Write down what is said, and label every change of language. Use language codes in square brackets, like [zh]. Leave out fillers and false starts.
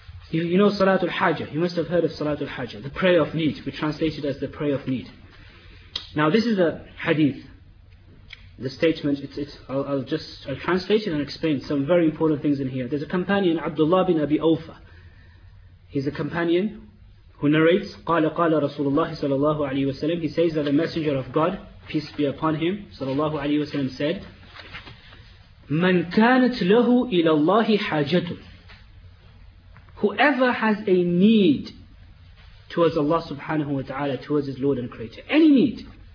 [en] You know Salatul Hajjah, you must have heard of Salatul Hajjah, the prayer of need. We translate it as the prayer of need. Now this is a hadith. The statement, I'll translate it and explain some very important things in here. There's a companion, Abdullah bin Abi Awfa. He's a companion who narrates, [ar] قَالَ قَالَ رَسُولُ اللَّهِ صَلَى اللَّهُ عَلَيْهِ وَسَلَمْ. [en] He says that the Messenger of God, peace be upon him, [ar] صلى الله عليه وسلم, [en] said, [ar] مَنْ كَانَتْ لَهُ إِلَى اللَّهِ حَاجَةٌ. [en] Whoever has a need towards Allah subhanahu wa ta'ala, towards His Lord and Creator. Any need.